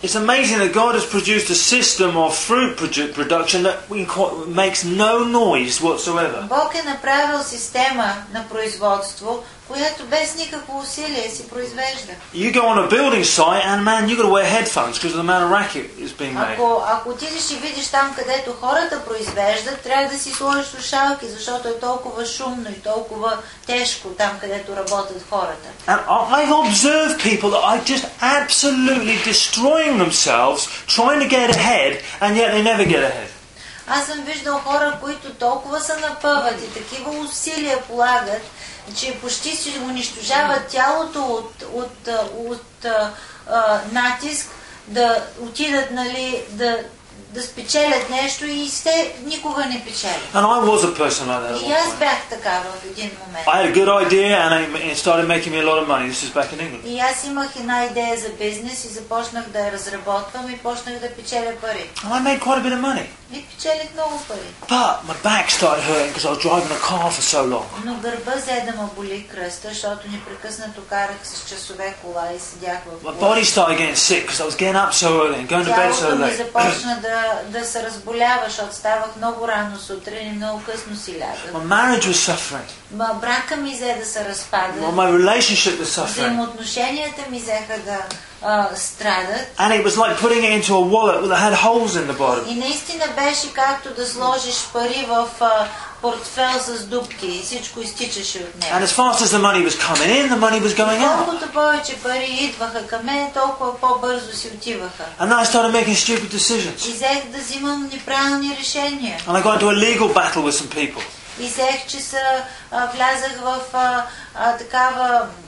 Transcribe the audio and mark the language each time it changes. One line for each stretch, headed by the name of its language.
English: It's amazing that God has produced a system of fruit production that makes no noise whatsoever.
Bulgarian: Бог е направил система на производство, която без никакво усилие си произвежда.
English: You go on a building site and man, you got to wear headphones because of the amount of racket is being made.
Bulgarian: Ако отидеш и видиш там, където хората произвеждат, трябва да си сложиш слушалки, защото е толкова шумно и толкова тежко там, където работят хората.
English: And I've observed people that are just absolutely destroying themselves, trying to get ahead, and yet they never get ahead.
Bulgarian: Аз съм виждал хора, които толкова се напъват и такива усилия полагат, че почти си унищожават тялото от натиск да отидат, нали, да спечелят нещо и сте никога не печелят.
English: And I was a person like that.
Bulgarian: И аз бях такава в един момент.
English: I had a good idea and it started making me a lot of money. This is back in England.
Bulgarian: И аз имах една идея за бизнес и започнах да я разработвам и почнах да печеля пари.
English: And I made quite a bit of money.
Bulgarian: И печелих много пари.
English: But my back started hurting because I was driving a car for so long.
Bulgarian: Но гърба взе да ме боли кръста, защото непрекъснато карах с часове кола и седях в
English: My body started getting sick because I was getting up so early and going to bed so late.
Bulgarian: Да се разболяваш, защото ставах много рано сутрин и много късно си лягах.
English: My marriage was suffering.
Bulgarian: Брака ми взе да се разпада.
English: My relationship was suffering.
Bulgarian: Взаимоотношенията ми взеха да страдат.
English: And it was like putting it into a wallet that had holes in the bottom.
Bulgarian: И наистина беше както да сложиш пари в портфел с дупки и всичко изтичаше от него.
English: And as fast as the money was coming in, the money was going out.
Bulgarian: Колкото повече пари идваха към мен, толкова по-бързо си отиваха.
English: And I started making stupid decisions.
Bulgarian: И взех да взимам неправилни решения.
English: And I got into a legal battle with some people.
Bulgarian: И взех, че влязах в такава